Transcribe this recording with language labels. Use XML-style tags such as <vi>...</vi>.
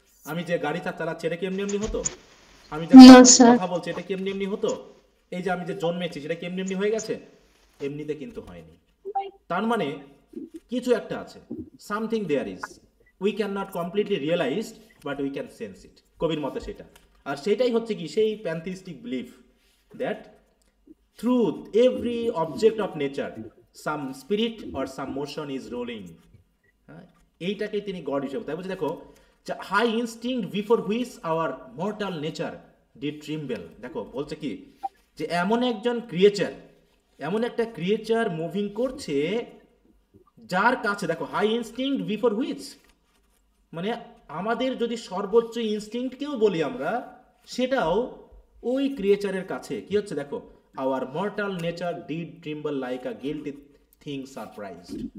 <bn>আমি যে গাড়িটা চালাচ্ছি এটা কি এমনি এমনি হতো? আমি যে কথা বলছি এটা কি এমনি এমনি হতো? এই যে আমি যে জন্মেছি সেটা কি এমনি এমনি হয়ে গেছে? এমনিতে কিন্তু হয়নি। তার মানে কিছু একটা আছে,</bn> <en>something there is, we can not completely realize but we can sense it,</en> <bn>কবির মতে সেটা। আর সেটাই হচ্ছে কি সেই</bn> <en>Pantheistic belief that Truth, every object of nature, some spirit or some motion is rolling.</en> <bn>এইটাকে তিনি গড হিসেবে, তাই বলছি দেখো</bn> <en>High instinct before which our mortal nature did tremble.</en> <bn>দেখো বলছে কি যে এমন একজন ক্রিয়েচার, এমন একটা ক্রিয়েচার মুভিং করছে যার কাছে, দেখো</bn> <en>high instinct before which</en> <bn>মানে আমাদের যদি সর্বোচ্চ ইনস্টিংক্টকেও বলি আমরা, সেটাও ওই ক্রিয়েচারের কাছে কি হচ্ছে দেখো,</bn> <en>Our mortal nature did tremble like a guilty thing surprised.</en>